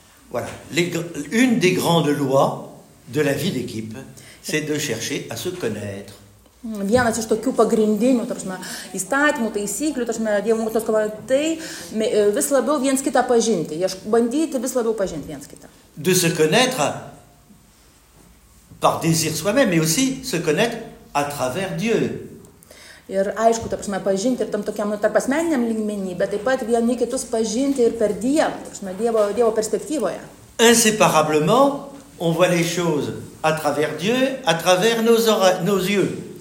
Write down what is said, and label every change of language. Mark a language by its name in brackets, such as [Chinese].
[French] Voilà, une des grandes lois de la vie d'équipe, c'est de chercher à se connaître. [Lithuanian] Vienas iš tokių pagrindinių, tarsi įstatymų, taisyklių, tarsi Dievo motinos komandų, tai vis labiau viens kitą pažinti, bandyti vis labiau pažinti viens kitą. [French] De se connaître par désir soi-même, mais aussi se connaître à travers Dieu. [Lithuanian] Ir aišku, ta prasme, pažinti ir tam tokiam tarpasmeniniam lygmenį, bet taip pat vieni kitus pažinti ir per Dievą, ta prasme, Dievo perspektyvoje. [French] Inséparablement, on voit les choses à travers Dieu, à travers nos yeux.